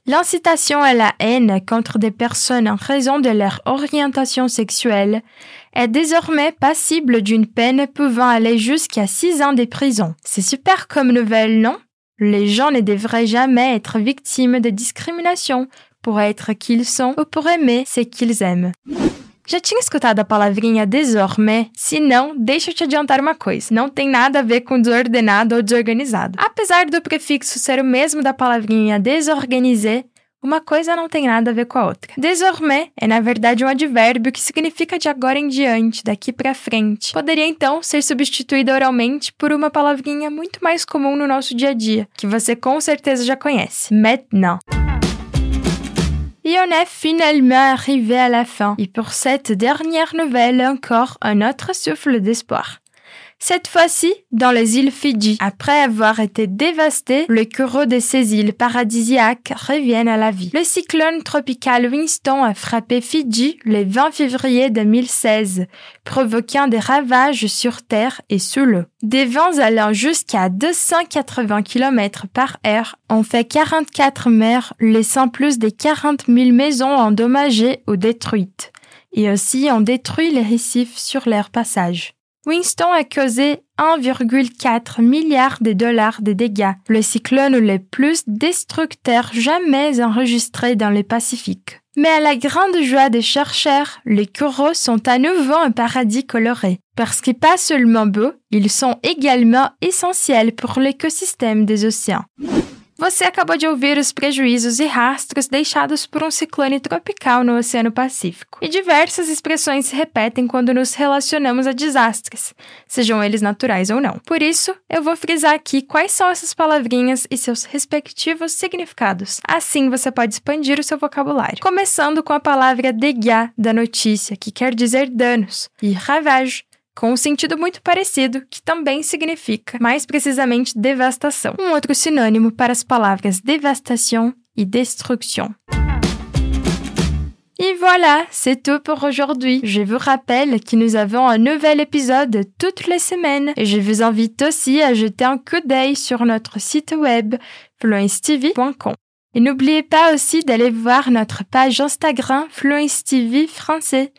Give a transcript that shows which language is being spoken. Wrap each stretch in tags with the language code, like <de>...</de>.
<fr>L'incitation à la haine contre des personnes en raison de leur orientation sexuelle est désormais passible d'une peine pouvant aller jusqu'à 6 ans de prison. C'est super comme nouvelle, non? Les gens ne devraient jamais être victimes de discrimination pour être qui ils sont ou pour aimer ce qu'ils aiment.</fr> <pt>Já tinha escutado a palavrinha désormais? Se não, deixa eu te adiantar uma coisa. Não tem nada a ver com desordenado ou desorganizado. Apesar do prefixo ser o mesmo da palavrinha désorganisé, uma coisa não tem nada a ver com a outra. Désormais é, na verdade, um advérbio que significa de agora em diante, daqui pra frente. Poderia, então, ser substituído oralmente por uma palavrinha muito mais comum no nosso dia a dia, que você com certeza já conhece.</pt> <fr>Maintenant. Et on est finalement arrivé à la fin. Et pour cette dernière nouvelle, encore un autre souffle d'espoir. Cette fois-ci, dans les îles Fidji. Après avoir été dévasté, les coraux de ces îles paradisiaques reviennent à la vie. Le cyclone tropical Winston a frappé Fidji le 20 février 2016, provoquant des ravages sur terre et sous l'eau. Des vents allant jusqu'à 280 km par heure ont fait 44 morts, laissant plus de 40 000 maisons endommagées ou détruites. Et aussi ont détruit les récifs sur leur passage. Winston a causé 1,4 milliard de dollars de dégâts, le cyclone le plus destructeur jamais enregistré dans le Pacifique. Mais à la grande joie des chercheurs, les coraux sont à nouveau un paradis coloré. Parce qu'ils pas seulement beaux, ils sont également essentiels pour l'écosystème des océans.</fr> <pt>Você acabou de ouvir os prejuízos e rastros deixados por um ciclone tropical no Oceano Pacífico. E diversas expressões se repetem quando nos relacionamos a desastres, sejam eles naturais ou não. Por isso, eu vou frisar aqui quais são essas palavrinhas e seus respectivos significados. Assim, você pode expandir o seu vocabulário. Começando com a palavra dégâts da notícia, que quer dizer danos, e ravage, com um sentido muito parecido, que também significa, mais precisamente, devastação. Um outro sinônimo para as palavras devastation e destruction.</pt> <fr>Et voilà, c'est tout pour aujourd'hui. Je vous rappelle que nous avons un nouvel épisode toutes les semaines et je vous invite aussi à jeter un coup d'œil sur notre site web fluencetv.com. Et n'oubliez pas aussi d'aller voir notre page Instagram Fluence TV Français.</fr>